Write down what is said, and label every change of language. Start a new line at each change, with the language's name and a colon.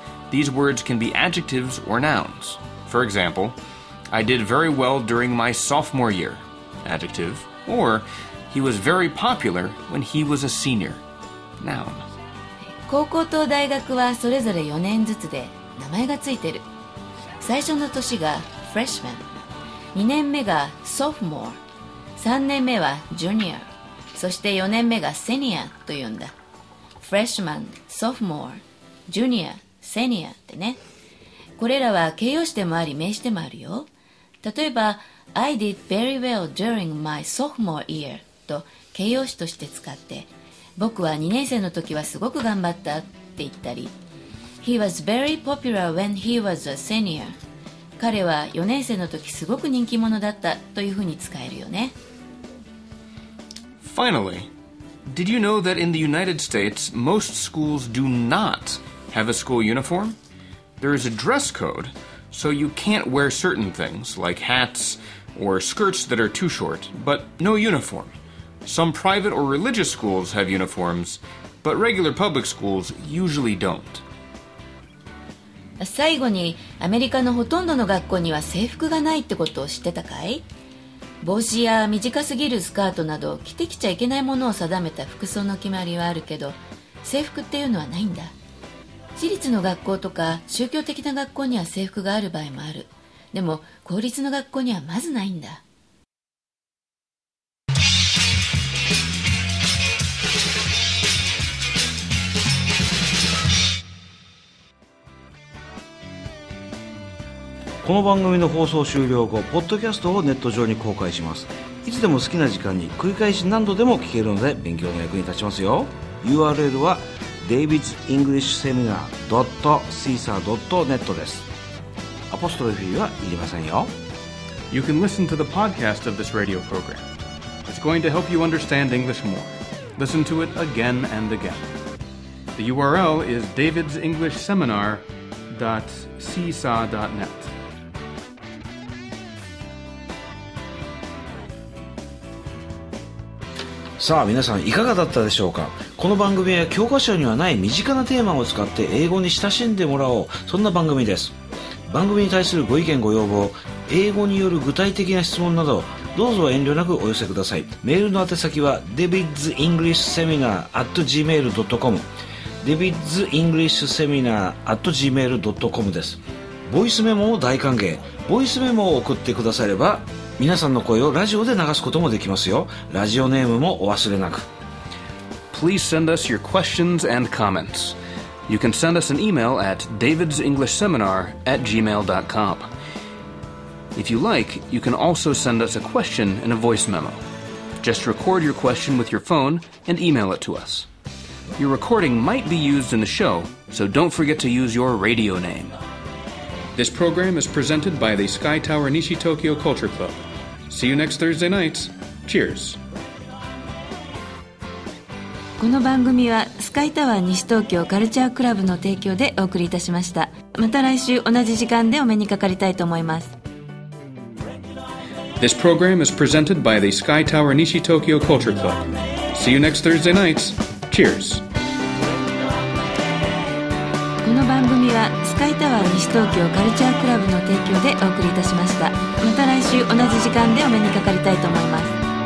English: These words can be adjectives or nouns. For example, I did very well during my sophomore year. Adjective, or he was very popular when he was a senior. Noun.
Japanese: 高校と大学はそれぞれ4年ずつで名前がついてる。最初の年が freshman、 2年目が sophomore、 3年目は junior、 そして4年目が senior と言うんだ。 freshman、 sophomore、 junior、 senior ってね。これらは形容詞でもあり名詞でもあるよ。例えば
English: I did very well during my sophomore year
Japanese: と形容詞として使って、僕は2年生の時はすごく頑張ったって言ったり、
English: He was very popular when he was a senior.
Japanese: 彼は4年生の時すごく人気者だったというふうに使えるよね。
English: Finally, did you know that in the United States, most schools do not have a school uniform? There is a dress code. So you can't wear certain things, like hats or skirts that are too short, but no uniform. Some private or religious schools have uniforms, but regular public schools usually don't.
Japanese: 最後に、アメリカのほとんどの学校には制服がないってことを知ってたかい？帽子や短すぎるスカートなど着てきちゃいけないものを定めた服装の決まりはあるけど、制服っていうのはないんだ。私立の学校とか宗教的な学校には制服がある場合もある。でも公立の学校にはまずないんだ。この番組の放送終了後、ポッドキャストをネット上に公開します。いつでも好きな時間に繰り返し何度でも聞けるので勉強の役に立ちますよ。 URL はdavidsenglishseminar.cesar.net です。アポストロフィーはいりませんよ。
English: You can listen to the podcast of this radio program. It's going to help you understand English more. Listen to it again and again. The URL is davidsenglishseminar.cesar.net.
Japanese: さあ、皆さんいかがだったでしょうか。この番組は教科書にはない身近なテーマを使って英語に親しんでもらおう、そんな番組です。番組に対するご意見ご要望、英語による具体的な質問などどうぞ遠慮なくお寄せください。メールの宛先は davidsenglishseminar@gmail.com davidsenglishseminar@gmail.com です。ボイスメモも大歓迎。ボイスメモを送ってくだされば皆さんの声をラジオで流すこともできますよ。ラジオネームもお忘れなく。
English: Please send us your questions and comments. You can send us an email at davidsenglishseminar@gmail.com. If you like, you can also send us a question in a voice memo. Just record your question with your phone and email it to us. Your recording might be used in the show, so don't forget to use your radio name. This program is presented by the Sky Tower Nishi Tokyo Culture Club. See you next Thursday night. Cheers.
Japanese: この番組はスカイタワー西東京カルチャークラブの提供でお送りいたしました。また来週同じ時間でお目にかかりたいと思います。
English: This program is presented by the Sky Tower 西東京 Culture Club. See you next Thursday night. Cheers.
Japanese: この番組はスカイタワー西東京カルチャークラブの提供でお送りいたしました。また来週同じ時間でお目にかかりたいと思います。